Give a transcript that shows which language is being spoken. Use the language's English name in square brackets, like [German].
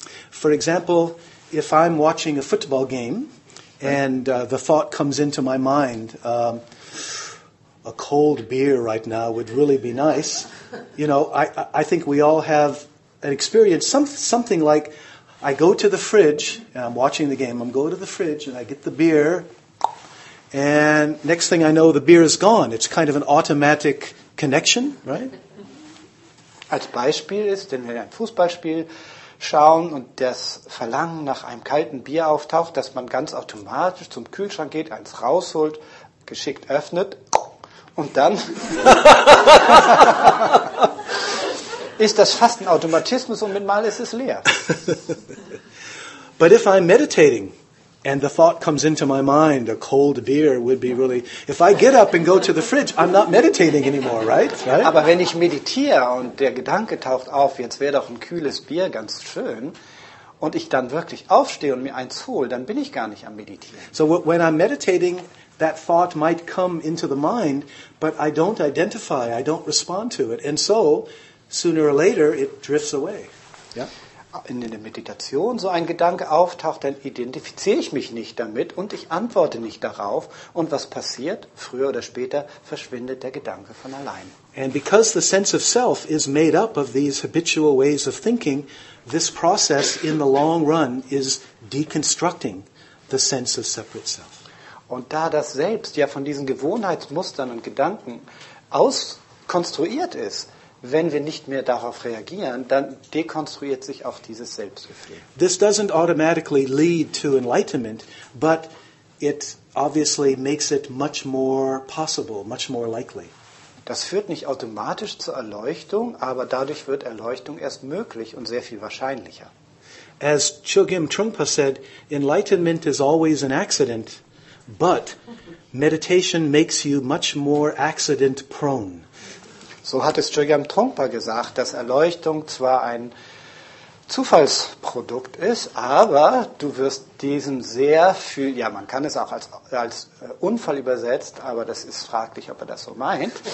[English] For example, if I'm watching a football game and the thought comes into my mind, a cold beer right now would really be nice. You know, I think we all have an experience, something like, I go to the fridge and I'm watching the game, I'm going to the fridge and I get the beer. And next thing I know, the beer is gone. It's kind of an automatic connection, right? [German] Als Beispiel ist, wenn wir ein Fußballspiel schauen und das Verlangen nach einem kalten Bier auftaucht, dass man ganz automatisch zum Kühlschrank geht, eins rausholt, geschickt öffnet und dann ist das fast ein Automatismus und mit mal ist es leer. [English] But if I'm meditating, and the thought comes into my mind, a cold beer would be really... If I get up and go to the fridge, I'm not meditating anymore, right? [German] Aber wenn ich meditiere und der Gedanke taucht auf, jetzt wäre doch ein kühles Bier ganz schön, und ich dann wirklich aufstehe und mir eins hole, dann bin ich gar nicht am Meditieren. [English] So when I'm meditating, that thought might come into the mind, but I don't identify, I don't respond to it. And so, sooner or later, it drifts away. Yeah. [German] In der Meditation so ein Gedanke auftaucht, dann identifiziere ich mich nicht damit und ich antworte nicht darauf. Und was passiert? Früher oder später verschwindet der Gedanke von allein. [English] And because the sense of self is made up of these habitual ways of thinking, this process in the long run is deconstructing the sense of separate self. [German] Und da das Selbst ja von diesen Gewohnheitsmustern und Gedanken auskonstruiert ist, wenn wir nicht mehr darauf reagieren, dann dekonstruiert sich auch dieses Selbstgefühl. [English] This doesn't automatically lead to enlightenment, but it obviously makes it much more possible, much more likely. [German] Das führt nicht automatisch zur Erleuchtung, aber dadurch wird Erleuchtung erst möglich und sehr viel wahrscheinlicher. [English] As Chögyam Trungpa said, enlightenment is always an accident, but meditation makes you much more accident prone. [German] So hat es Chögyam Trungpa gesagt, dass Erleuchtung zwar ein Zufallsprodukt ist, aber du wirst diesem sehr viel, ja, man kann es auch als Unfall übersetzt, aber das ist fraglich, ob er das so meint.